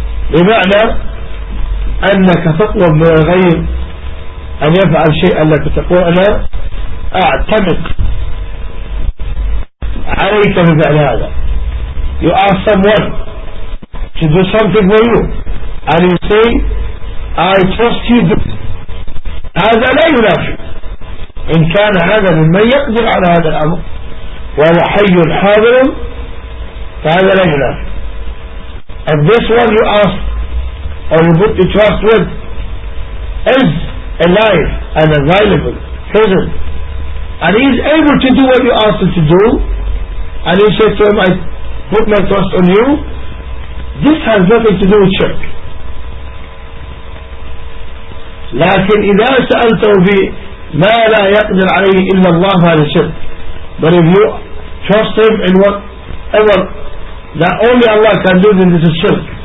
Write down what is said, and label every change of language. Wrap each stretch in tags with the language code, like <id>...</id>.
<ar>بمعنى أنك تطلب من الغير أن يفعل شيئا لك تقول أنا أعتمد عليك بفعل هذا.</ar> <en>You ask someone to do something for you and you say I trust you do.</en> <ar>هذا لا ينافي إن كان هذا ممن يقدر على هذا الأمر وهو حي حاضر فهذا لا ينافي.</ar> <en>And this one you ask or you put the trust with is alive and available, present, and he is able to do what you ask him to do, and you say to him, I put my trust on you. This has nothing to do with shirk.</en> <ar>لكن إذا سألته بما لا يقدر عليه إلا الله هذا الشرك.</ar> <en>But if you trust him in whatever that only Allah can do, then this is shirk.</en>